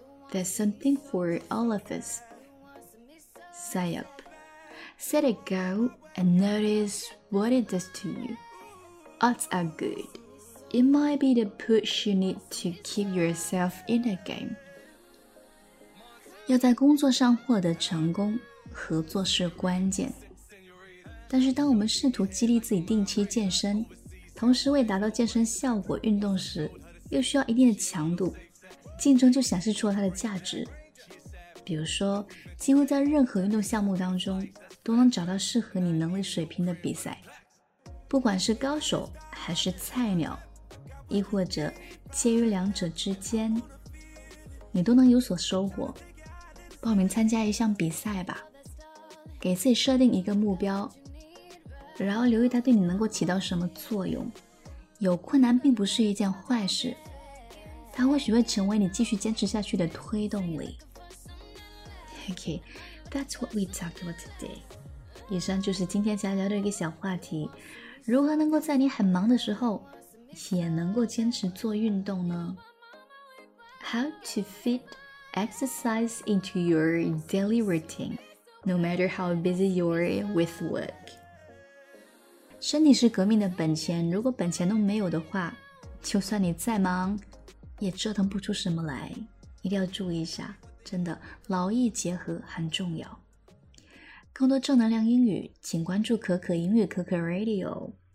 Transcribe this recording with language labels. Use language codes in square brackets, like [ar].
[en] There's something for all of us. Sign up. Set a goalAnd notice what it does to you. Odds are good. It might be the push you need to keep yourself in the game. [zh] 要在工作上获得成功，合作是关键。但是当我们试图激励自己定期健身，同时为达到健身效果运动时，又需要一定的强度，竞争就显示出了它的价值。比如说，几乎在任何运动项目当中都能找到适合你能力水平的比赛，不管是高手还是菜鸟，亦或者介于两者之间，你都能有所收获。报名参加一项比赛吧，给自己设定一个目标，然后留意它对你能够起到什么作用。有困难并不是一件坏事，它或许会成为你继续坚持下去的推动力。 [en] Okay, that's what we talked about today. [zh] 以上就是今天想聊的一个小话题，如何能够在你很忙的时候也能够坚持做运动呢？ [en] How to fit exercise into your daily routine, no matter how busy you are with work. [zh] 身体是革命的本钱，如果本钱都没有的话，就算你再忙也折腾不出什么来，一定要注意一下。真的，劳逸结合很重要。更多正能量英语，请关注可可英语可可 Radio。